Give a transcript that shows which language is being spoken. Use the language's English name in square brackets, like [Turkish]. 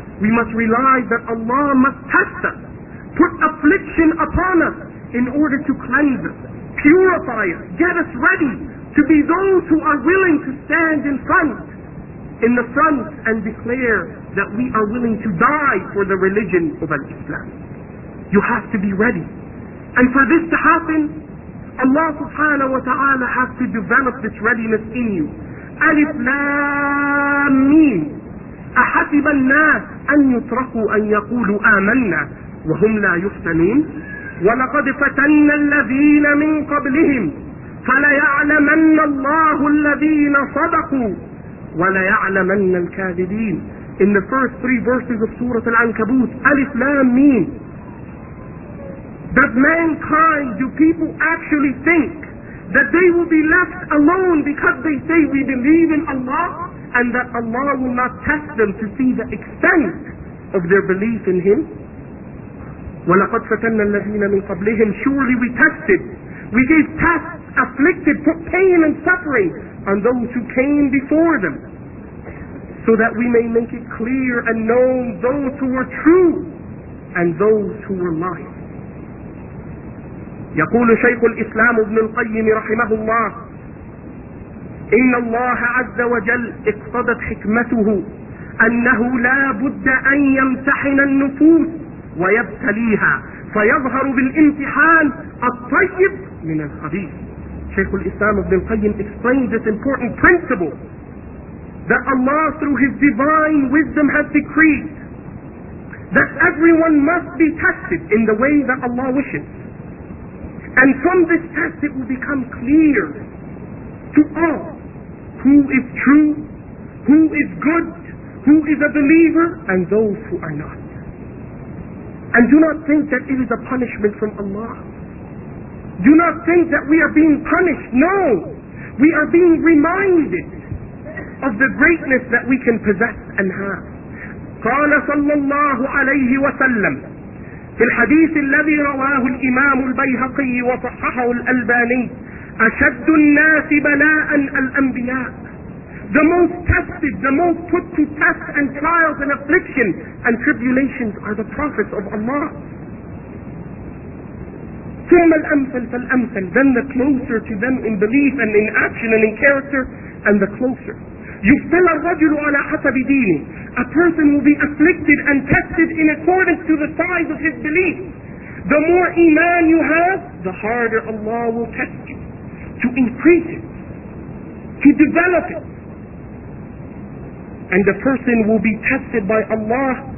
[English] We must realize that Allah must test us, put affliction upon us in order to cleanse us, purify us, get us ready to be those who are willing to stand in the front and declare that we are willing to die for the religion of Islam. You have to be ready. And for this to happen, Allah subhanahu wa ta'ala has to develop this readiness in you. [Arabic] Alif Lam Mim. أحسب الناس أن يتركوا أن يقولوا آمنا وهم لا يفتنون ولقد فتن الذين من قبلهم فليعلمن الله الذين صدقوا وليعلمن الكاذبين. [English] In the first three verses of Surah Al-Ankabut, Alif Lam Mim. Does mankind, do people actually think that they will be left alone because they say we believe in Allah, and that Allah will not test them to see the extent of their belief in Him? [Arabic] وَلَقَدْ فَتَنَّ الَّذِينَ مِنْ قَبْلِهِمْ. [English] Surely we tested, we gave tests, afflicted, put pain and suffering on those who came before them, so that we may make it clear and known those who were true and those who were lying. [Arabic] يقول شيخ الإسلام ابن القيم رحمه الله: إن الله عز وجل اقتضت حكمته أنه لا بد أن يمتحن النفوس ويبتليها فيظهر بالامتحان الطيب من الخبيث. [English] شيخ الإسلام ابن القيم explains this important principle that Allah through His divine wisdom has decreed that everyone must be tested in the way that Allah wishes. And from this test it will become clear to all who is true, who is good, who is a believer, and those who are not. And do not think that it is a punishment from Allah. Do not think that we are being punished. No, we are being reminded of the greatness that we can possess and have. [Arabic] قال صلى الله عليه وسلم في الحديث الذي رواه الإمام البيهقي وصححه الألباني أشد الناس بلاء الأنبياء. [English] The most tested, the most put to test and trials and affliction and tribulations are the prophets of Allah. [Arabic] ثم الأمثل فالأمثل. [English] Then the closer to them in belief and in action and in character, and the closer. [Arabic] يبتلى الرجل على حسب دينه. [English] A person will be afflicted and tested in accordance to the size of his belief. The more iman you have, the harder Allah will test you to increase it, to develop it. And the person will be tested by Allah